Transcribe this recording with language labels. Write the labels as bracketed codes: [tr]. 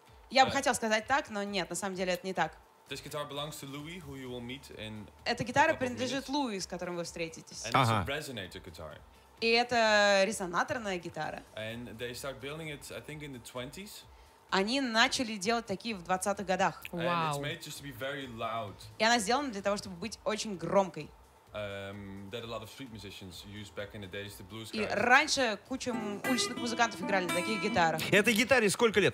[ru] Я бы хотел сказать так, но нет, на самом деле это не так. [en] This guitar belongs to Louis, who you will meet in. [ru] Эта гитара принадлежит Луи, с которым вы встретитесь. [en] And it's a resonator guitar. [ru] И это резонаторная гитара. [en] And they start building it, I think, in the 20s. [ru] Они начали делать такие в 20-х годах. [en] Wow. And it's made just to be very loud. [ru] И она сделана для того, чтобы быть очень громкой. [en] That a lot of street musicians used back in the days, the blues. [ru] И раньше куча уличных музыкантов играли на таких гитарах. Этой гитаре сколько лет?